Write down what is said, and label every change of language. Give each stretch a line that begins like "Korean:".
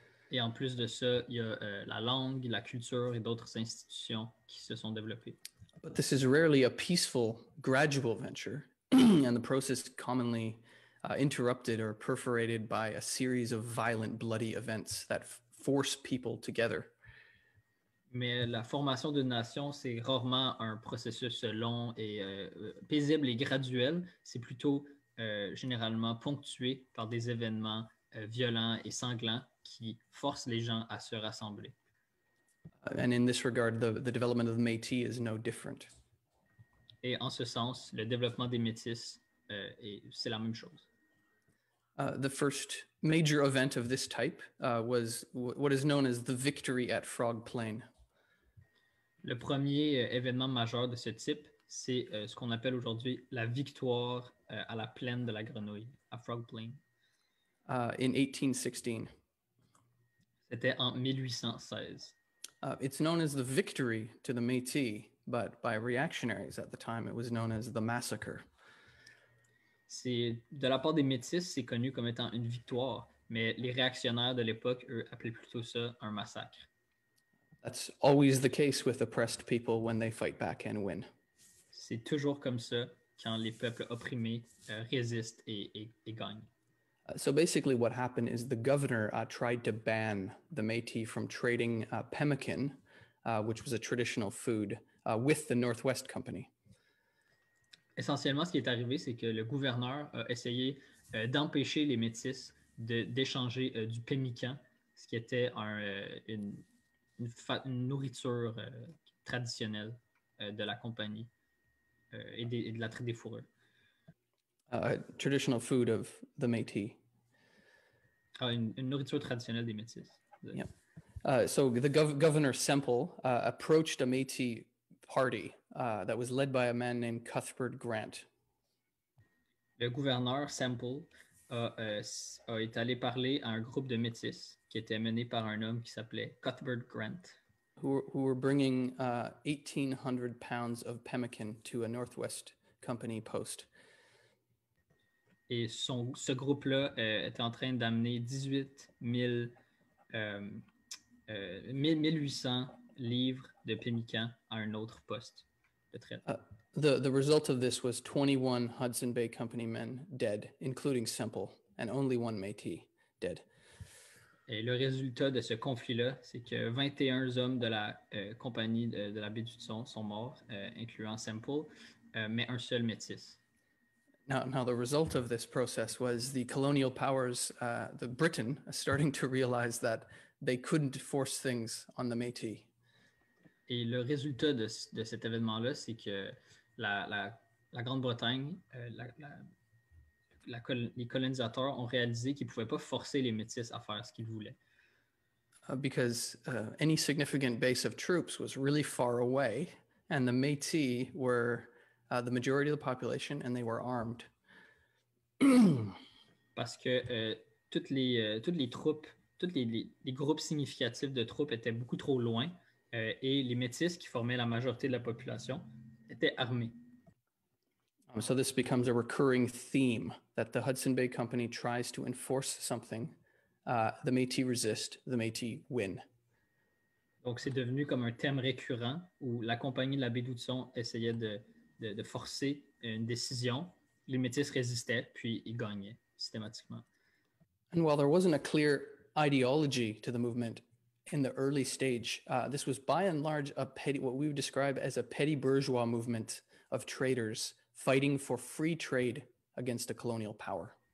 French: Et en plus de ça, il y a la langue, la culture et d'autres institutions qui se sont développées.
English: But this is rarely a peaceful, gradual venture, and the process commonly interrupted or perforated by a series of violent, bloody events that force people together.
French: Mais la formation d'une nation, c'est rarement un processus long et paisible et graduel. C'est plutôt généralement ponctué par des événements violents et sanglants qui forcent les gens à se rassembler.
English: And in this regard, the development of the Métis is no different.
French: Et en ce sens, le développement des Métis, c'est la même chose.
English: The first major event of this type was what is known as the victory at Frog Plain.
French: Le premier événement majeur de ce type, c'est ce qu'on appelle aujourd'hui la victoire à la plaine de la Grenouille, à Frog Plain.
English: In 1816.
French: C'était en 1816.
English: It's known as the victory to the Métis, but by reactionaries at the time, it was known as the massacre.
French: C'est, de la part des Métis, c'est connu comme étant une victoire, mais les réactionnaires de l'époque, eux, appelaient plutôt ça un massacre.
English: That's always the case with oppressed people when they fight back and win.
French: C'est toujours comme ça quand les peuples opprimés résistent et gagnent.
English: So basically what happened is the governor tried to ban the Métis from trading pemmican, which was a traditional food, with the Northwest Company.
French: Essentiellement, ce qui est arrivé, c'est que le gouverneur a essayé d'empêcher les Métis d'échanger du pemmican, ce qui était une nourriture traditionnelle de la compagnie et de la traite des fourrures.
English: Traditional food of the Métis.
French: Une nourriture traditionnelle des Métis.
English: Yeah. So the governor Semple approached a Métis party that was led by a man named Cuthbert Grant.
French: Le gouverneur Semple est allé parler à un groupe de Métis qui était mené par un homme qui s'appelait Cuthbert Grant.
English: Who were bringing 1,800 pounds of pemmican to a Northwest Company post.
French: Et ce groupe-là était en train d'amener 1,800 livres de pemmican à un autre poste de traite.
English: The result of this was 21 Hudson Bay Company men dead, including Semple, and only one Métis dead.
French: Et le résultat de ce conflit-là, c'est que 21 hommes de la compagnie de la baie d'Hudson sont morts, incluant Semple, mais un seul Métis.
English: Now the result of this process was the colonial powers, the Britain, starting to realize that they couldn't force things on the Métis.
French: Et le résultat de cet événement-là, c'est que la Grande-Bretagne, les colonisateurs ont réalisé qu'ils ne pouvaient pas forcer les Métis à faire ce qu'ils voulaient.
English: Because any significant base of troops was really far away, and the Métis were the majority of the population, and they were armed.
French: Parce que toutes les groupes significatifs de troupes étaient beaucoup trop loin, et les Métis, qui formaient la majorité de la population, étaient armés.
English: So this becomes a recurring theme that the Hudson Bay Company tries to enforce something, the Métis resist, the Métis win.
French: Donc c'est devenu comme un thème récurrent où la compagnie de la baie d'Hudson essayait de forcer une décision, les Métis résistaient puis ils gagnaient systématiquement.
English: And while there wasn't a clear ideology to the movement in the early stage, this was by and large a petty, what we would describe as a petty bourgeois movement of traders fighting for free trade against a colonial power.